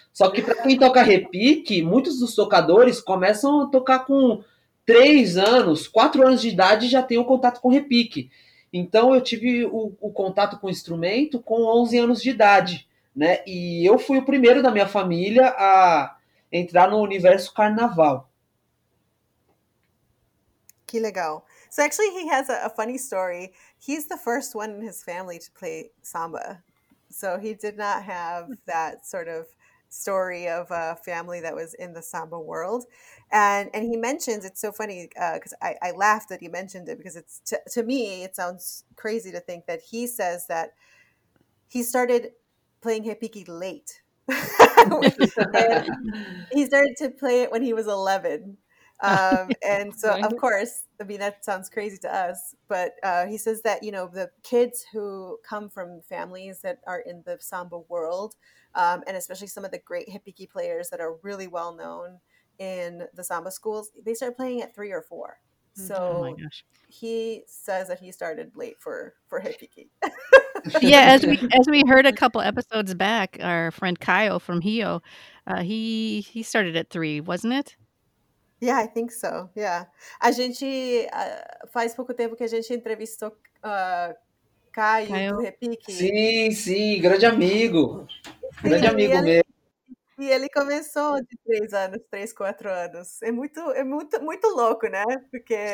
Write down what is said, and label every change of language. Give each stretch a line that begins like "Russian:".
Portuguese: Só que para quem toca repique, muitos dos tocadores começam a tocar com 3 anos, 4 anos de idade e já tem o contato com repique. Então, eu tive o contato com o instrumento com 11 anos de idade, né? E eu fui o primeiro da minha família a entrar no universo carnaval. Que legal.
English: So actually, he has a funny story. He's the first one in his family to play samba. So he did not have that sort of story of a family that was in the samba world. And he mentions, it's so funny, because I laughed that he mentioned it, because it's to me, it sounds crazy to think that he says that he started playing hipiki late. He started to play it when he was 11. And so, of course, I mean, that sounds crazy to us, but he says that, you know, the kids who come from families that are in the samba world, and especially some of the great hipiki players that are really well known in the samba schools, they start playing at 3 or 4. So oh my gosh. He says that he started late for hipiki. Yeah, as we heard a couple episodes back, our friend Kyle from Hio, he started at 3, wasn't it? Yeah, I think so. Yeah.
Portuguese: A gente, faz pouco tempo que a gente entrevistou Caio do Repique. Sim, grande amigo. Sim, grande amigo mesmo. E ele começou de 3 anos, 3, 4 anos. É muito louco, né? Porque...